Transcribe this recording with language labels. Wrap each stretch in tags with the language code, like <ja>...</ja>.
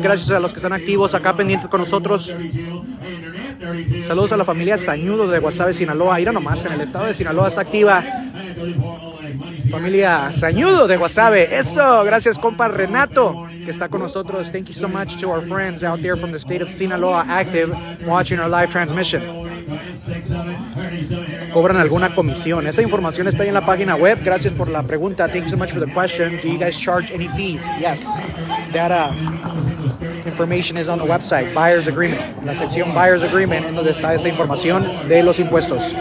<es>Gracias a los que están activos acá pendientes con nosotros. Saludos a la familia Sañudo de Guasave, Sinaloa. Mira nomás, en el estado de Sinaloa está activa. Familia Sañudo de Guasave. Eso, gracias compa Renato, que está con nosotros.</es> <en>Thank you so much to our friends out there from the state of Sinaloa, active, watching our live transmission.</en> <es>¿Cobran alguna comisión? Esa información está ahí en la página web. Gracias por la pregunta.</es> <en>Thank you so much for the question. Do you guys charge any fees? Yes. That information is on the website. Buyer's agreement.</en> <es>La sección buyer's agreement es donde está esa información de los impuestos.</es>